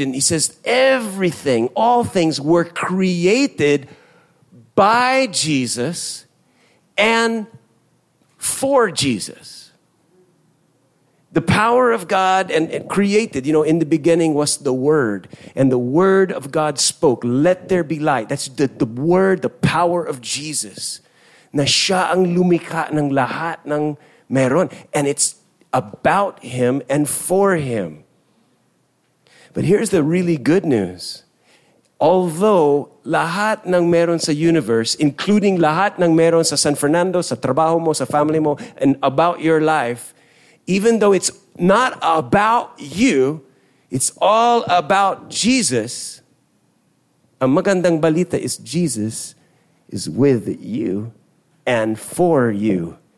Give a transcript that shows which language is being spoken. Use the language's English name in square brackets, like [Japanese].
[English] And he says everything, all things were created by Jesus and for Jesus. The power of God and created, you know, in the beginning was the Word. And the Word of God spoke, let there be light. That's the Word, the power of Jesus. [Filipino] Na siya ang lumikha ng lahat ng meron. [English] And it's about Him and for Him. But here's the really good news. Although [Filipino] lahat ng meron sa [English] universe, including lahat ng meron sa San Fernando, [Filipino] sa trabaho mo, sa [English] family mo, and about your life, even though it's not about you, it's all about Jesus, [Filipino] ang magandang balita [English] is Jesus is with you and for you.